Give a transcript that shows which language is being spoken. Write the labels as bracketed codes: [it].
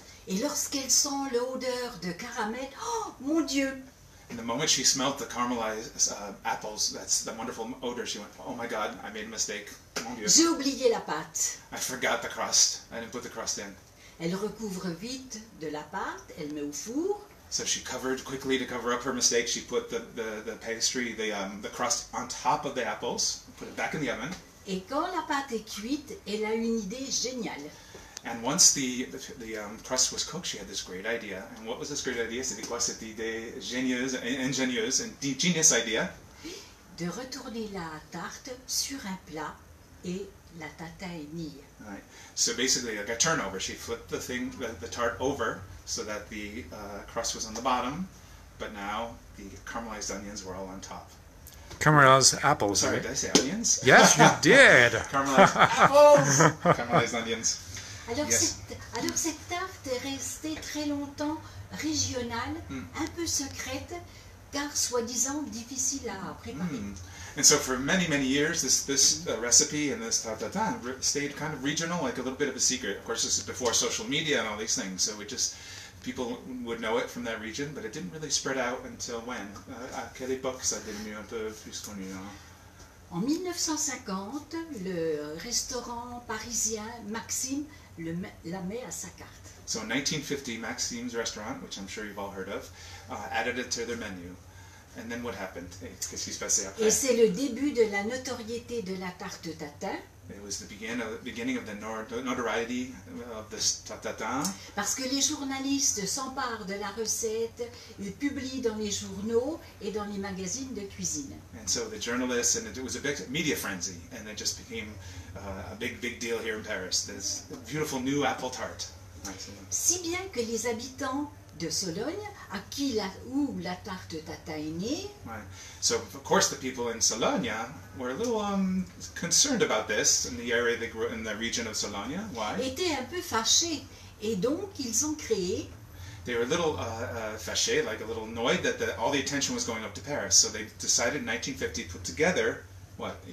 [fr] Et lorsqu'elle sent l'odeur de caramel, oh mon Dieu! [en] And the moment she smelled the caramelized apples, that's the wonderful odor, she went, oh my God, I made a mistake. [fr] Mon Dieu. J'ai oublié la pâte. [en] I forgot the crust. I didn't put the crust in. [fr] Elle recouvre vite de la pâte, elle met au four. [en] So she covered quickly to cover up her mistake. She put the pastry, the crust on top of the apples, put it back in the oven. [fr] Et quand la pâte est cuite, elle a une idée géniale. [en] And once the crust was cooked, she had this great idea. And what was this great idea? [fr] C'était quoi cette idée ingénieuse, [en] and genius idea? [fr] De retourner la tarte sur un plat et la tatiner. [en] Right. So basically, like a turnover. She flipped the tart over so that the crust was on the bottom, but now the caramelized onions were all on top. Caramelized apples. Sorry, right? Did I say onions? Yes, you did. Caramelized apples. Caramelized onions. [fr] Alors cette tarte est restée très longtemps régionale, un peu secrète, car soi-disant difficile à préparer. Mm. [en] And so for many, many years, this recipe and this tatin stayed kind of regional, like a little bit of a secret. Of course, this is before social media and all these things, so people would know it from that region, but it didn't really spread out until when? [fr] À quelle époque ça devenu un peu plus connu, hein? En 1950, le restaurant parisien Maxime la met à sa carte. [en] So in 1950, Maxime's restaurant, which I'm sure you've all heard of, added it to their menu. And then what happened? [fr] Qu'est-ce qui s'est passé après? Et c'est le début de la notoriété de la tarte tatin. [en] It was the beginning of the notoriety of this tatin. [fr] Parce que les journalistes s'emparent de la recette, ils publient dans les journaux et dans les magazines de cuisine. [en] And so the journalists, and it was a big media frenzy, and it just became a big, big deal here in Paris. This beautiful new apple tart. [fr] Si bien que les habitants de Sologne, où la tarte tatin est née. [en] Right. So, of course, the people in Sologne were a little concerned about this, in the area they grew in the region of Sologne. Why? [fr] Étaient un peu fâchés. Et donc, ils ont créé. [en] They were a little fâchés, like a little annoyed that all the attention was going up to Paris. So they decided in 1950 to put together, what?